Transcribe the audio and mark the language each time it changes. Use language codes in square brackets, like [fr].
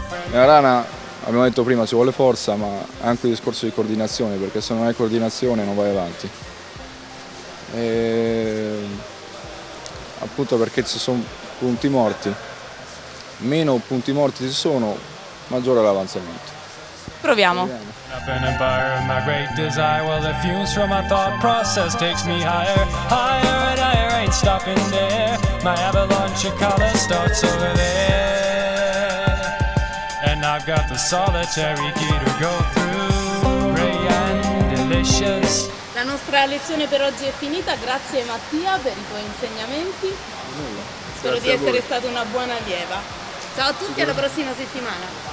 [it] La rana, abbiamo detto prima, ci vuole forza, ma anche il discorso di coordinazione, perché se non hai coordinazione non vai avanti. E appunto perché ci sono punti morti. Meno punti morti ci sono, maggiore è l'avanzamento. Proviamo. [en] Up in empire, my great desire, well, it fumes from my thought process, takes me higher, higher and higher, ain't stopping there, my avalanche of color starts over there, and I've got the solitary key to go through, gray and delicious. [it] La nostra lezione per oggi è finita, grazie Mattia per i tuoi insegnamenti, spero di essere stato una buona allieva. Ciao a tutti, alla prossima settimana.